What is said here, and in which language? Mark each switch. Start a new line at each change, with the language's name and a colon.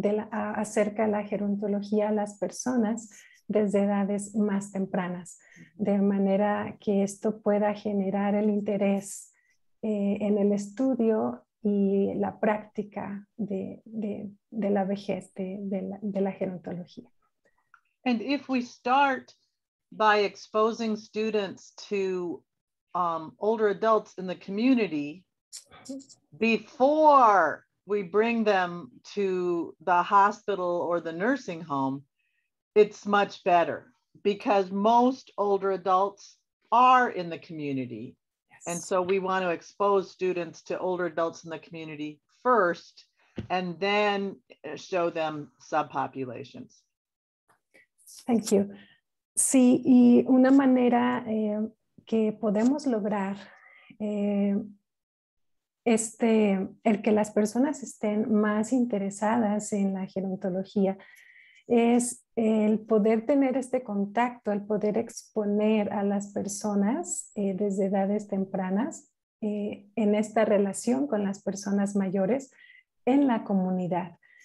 Spanish: acerca de la gerontología a las personas desde edades más tempranas, de manera que esto pueda generar el interés en el estudio y la práctica de la vejez, de la gerontología.
English: And if we start by exposing students to older adults in the community before we bring them to the hospital or the nursing home, it's much better because most older adults are in the community. And so we want to expose students to older adults in the community first and then show them subpopulations. Thank you.
Spanish: Sí, y una manera que podemos lograr el que las personas estén más interesadas en la gerontología es el poder tener este contacto, el poder exponer a las personas desde edades tempranas en esta relación con las personas mayores en la comunidad.